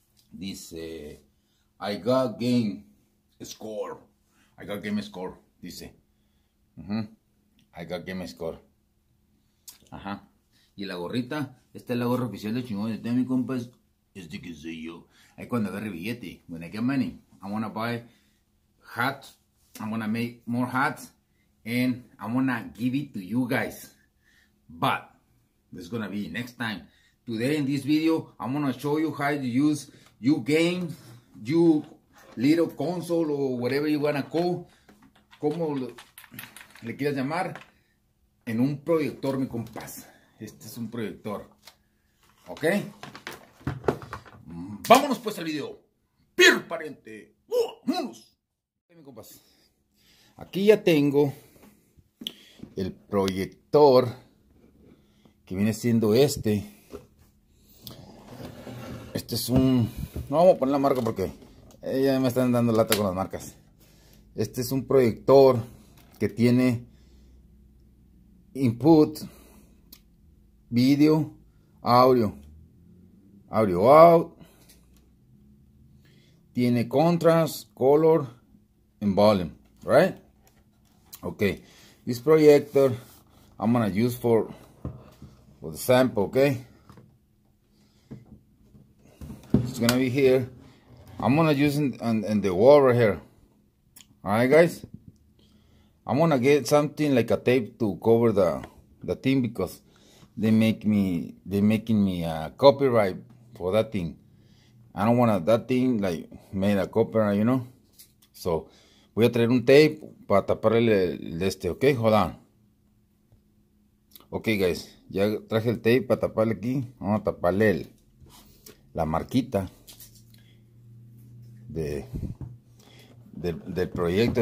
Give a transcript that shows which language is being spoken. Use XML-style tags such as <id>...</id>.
<en>Dice, I got game score. I got game score,</en> <es>dice.</es> <en>I got game score.</en> <es>Ajá. Y la gorrita, esta es la gorra oficial de chingón. De mi compa, es de que soy yo. Ahí cuando agarre billete,</es> <en>when I get money, I wanna buy hat. I'm gonna make more hats and I'm gonna give it to you guys. But this is gonna be next time. Today in this video, I'm gonna show you how to use your game, your little console or whatever you wanna call,</en> <es>como le quieras llamar, en un proyector, mi compás. Este es un proyector. Ok. Vámonos pues al video. Pir pariente. Vámonos. Mi compás. Aquí ya tengo el proyector que viene siendo este. Este es un... No vamos a poner la marca porque ya me están dando lata con las marcas. Este es un proyector que tiene input, video, audio.</es> <en>Audio out. Tiene contrast, color and volume, right? Okay, this projector I'm gonna use for the sample, okay? It's gonna be here. I'm gonna use it in the wall right here. Alright guys? I'm gonna get something like a tape to cover the thing because they're making me copyright for that thing. I don't wanna that thing like made a copyright, you know?</en> <es>So voy a traer un tape para taparle el de este, ok,</es> <en>hold on. Ok, guys,</en> <es>ya traje el tape para taparle aquí. Vamos a taparle la marquita del proyecto.</es>